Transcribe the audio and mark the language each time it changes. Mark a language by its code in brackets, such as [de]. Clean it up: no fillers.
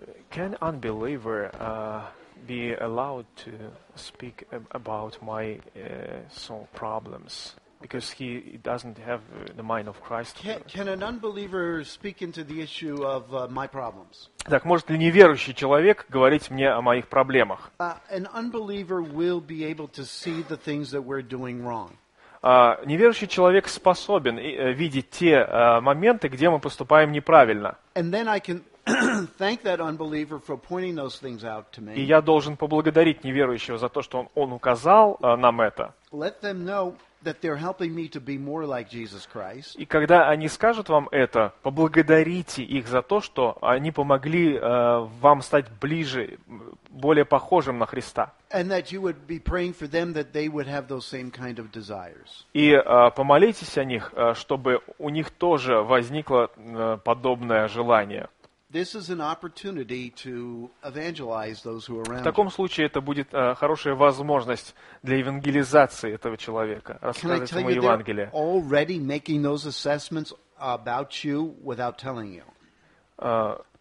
[en] Can unbeliever be allowed to speak about my soul problems because he doesn't have the mind of Christ? Can an unbeliever speak into the issue of my problems? [ru] Так может ли неверующий человек говорить мне о моих проблемах? [en] An unbeliever will be able to see the things that we're doing wrong. [ru] Неверующий человек способен видеть те моменты, где мы поступаем неправильно. И я должен поблагодарить неверующего за то, что он указал нам это. [en] that they're helping me to be more like Jesus Christ. [ru] И когда они скажут вам это, поблагодарите их за то, что они помогли вам стать ближе, более похожим на Христа. [en] And that you would be praying for them that they would have those same kind of desires. [ru] И помолитесь о них, чтобы у них тоже возникло подобное желание. [en] This is an opportunity to evangelize those who are around. [ru] В таком случае это будет хорошая возможность для евангелизации этого человека, рассказать ему Евангелие. [en] They're already making those assessments about you without telling you.